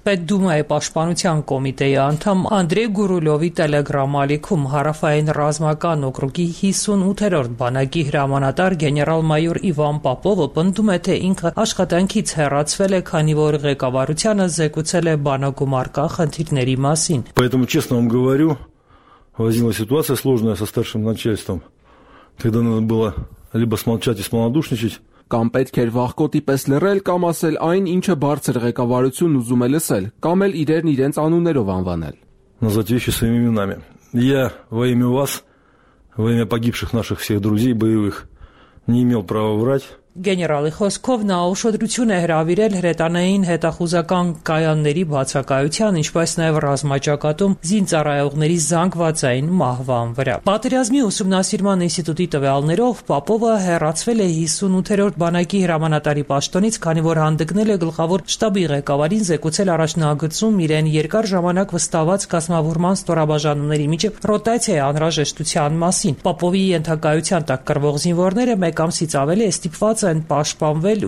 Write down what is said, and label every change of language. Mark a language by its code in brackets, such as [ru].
[hy] Պետդումայի պաշտպանության կոմիտեի անդամ Անդրեյ Գուրուլովի տելեգրամալիքում հարավային ռազմական օկրուգի 58-րդ բանակի հրամանատար գեներալ-մայոր Իվան Պապովը պնդում է, թե ինքը աշխատանքից հեռացվել է, քանի որ ղեկավարությունը զեկուցել է բանակում առկա խնդիրների մասին։ [ru] Поэтому честно вам говорю, возникла ситуация сложная со старшим начальством. Тогда надо было либо смолчать и смолодушничать. [hy] Կամ պետք էր վախկոտի պես լռել կամ ասել այն, ինչը բարձր ղեկավարություն ուզում է լսել, կամ էլ իրերն իրենց անուններով անվանել։ [ru] Назвать вещи своими именами. Я во имя вас, во имя погибших наших всех друзей боевых не имел права врать. [hy] Գեներալի խոսքով նա ուշադրություն է հրավիրել հրետանային հետախուզական կայանների բացակայության, ինչպես նաև ռազմաճակատում զինծառայողների զանգվածային մահվան վրա։ Պատերազմի ուսումնասիրման ինստիտուտի տվյալներով Պապովը հեռացվել է 58-րդ բանակի հրամանատարի պաշտոնից, քանի որ հանդգնել է գլխավոր շտաբի ղեկավարին զեկուցել առաջնագծում իրեն երկար ժամանակ վստահված կազմավորման ստորաբաժանումների միջև ռոտացիայի անհրաժեշտության մասին։ Պապովի ենթակայության տակ կրվող զինվորները մեկ ամսից ավելի է ստիպված են պաշտպանվել